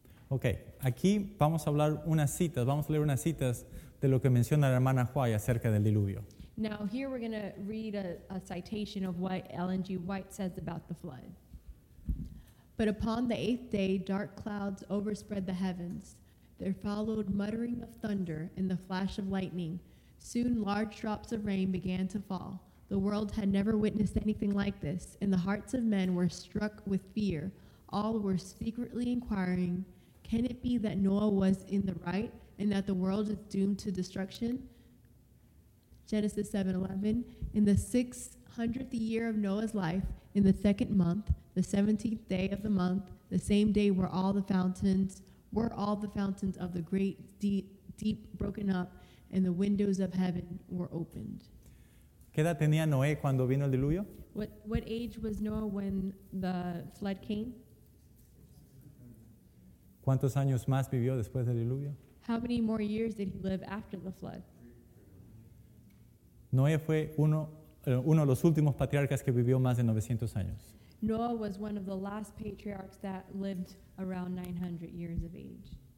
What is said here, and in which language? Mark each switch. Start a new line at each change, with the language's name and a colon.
Spanish: Okay, aquí vamos a hablar unas citas, vamos a leer unas citas de lo que menciona la hermana White acerca del diluvio.
English: Now, here we're going to read a citation of what Ellen G. White says about the flood. "But upon the eighth day, dark clouds overspread the heavens. There followed muttering of thunder and the flash of lightning. Soon large drops of rain began to fall. The world had never witnessed anything like this, and the hearts of men were struck with fear. All were secretly inquiring, can it be that Noah was in the right and that the world is doomed to destruction? Genesis 7:11, in the 600th year of Noah's life, in the second month, the 17th day of the month, the same day were all the fountains, of the great deep broken up, and the windows of heaven were opened.
Spanish: ¿Qué edad tenía Noé cuando vino el diluvio?
English: What age was Noah when the flood came?
Spanish: ¿Cuántos años más vivió después del diluvio?
English: How many more years did he live after the flood?
Spanish: Noé fue uno de los últimos patriarcas que vivió más de 900 años.
English: Noah was one of the last patriarchs that lived around 900 years of age.